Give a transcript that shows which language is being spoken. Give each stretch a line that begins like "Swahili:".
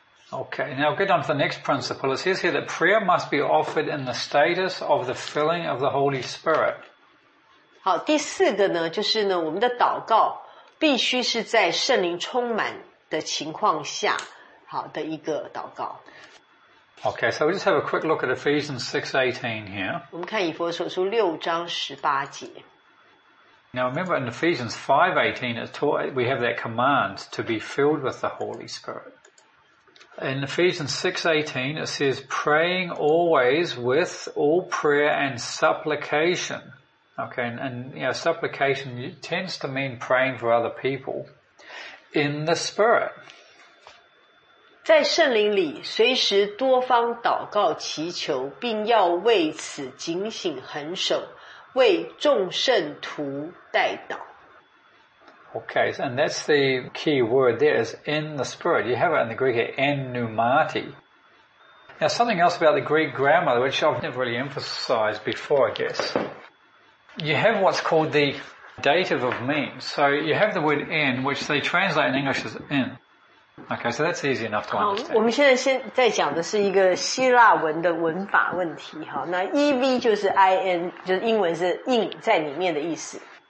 English: Okay, now get on to the next principle. It says here that prayer must be offered in the status of the filling of the Holy Spirit.
Chinese: 好，第四个呢，就是呢，我们的祷告必须是在圣灵充满的情况下，好的一个祷告。
English: Okay, so we just have a quick look at Ephesians 6:18 here.
Chinese: 我们看以弗所书六章十八节。
English: Now remember in Ephesians 5:18, we have that command to be filled with the Holy Spirit. In Ephesians 6:18, it says, praying always with all prayer and supplication. Okay, and you know, supplication tends to mean praying for other people in the Spirit.
Chinese: 在圣灵里随时多方祷告祈求并要为此警醒恒守为众圣徒代祷。
English: Okay, and that's the key word there, is in the spirit. You have it in the Greek, en pneumati. Now, something else about the Greek grammar, which I've never really emphasized before, I guess. You have what's called the dative of means. So you have the word en, which they translate in English as in. Okay, so that's easy enough to understand.
Chinese: 我们现在讲的是一个希腊文的文法问题。那EV就是IN, 就是英文是in在里面的意思。